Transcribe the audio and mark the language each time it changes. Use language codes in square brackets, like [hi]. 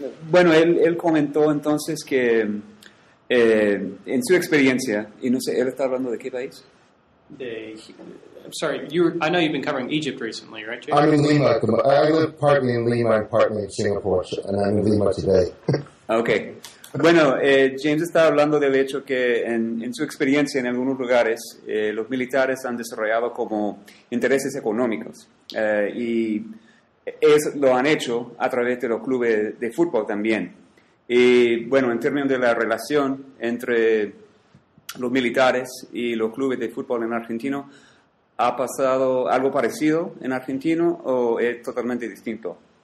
[es] Bueno, él comentó entonces que en su experiencia, y no sé, ¿él está hablando de qué país? [en] I'm sorry, I know you've been covering Egypt recently, right, Jay? I'm in Lima. I live partly in Lima and partly in Singapore, so, and I'm in Lima today. Okay. [es] Bueno, James está hablando del hecho que en su experiencia en algunos lugares, los militares han desarrollado como intereses económicos, y... lo han hecho a través de los clubes de fútbol también. Y bueno, en términos de la relación entre los militares y los clubes de fútbol en Argentina, ¿ha pasado algo parecido en Argentina o es totalmente distinto?